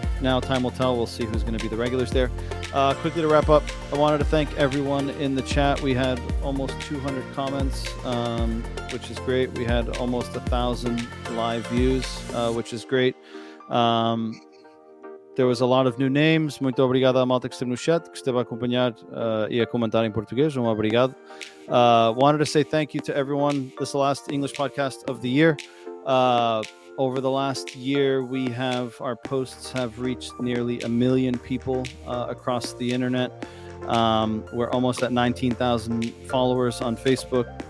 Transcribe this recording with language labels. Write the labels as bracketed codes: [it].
[en] now time will tell. We'll see who's going to be the regulars there. Quickly to wrap up, I wanted to thank everyone in the chat. We had almost 200 comments, which is great. We had almost 1,000 live views, which is great. There was a lot of new names. [pt] Muito obrigado à malta que esteve no chat, que esteve a acompanhar e a comentar em português. Um obrigado. [en] Wanted to say thank you to everyone. This is the last English podcast of the year. Over the last year, we have our posts have reached nearly 1 million people across the internet. We're almost at 19,000 followers on Facebook.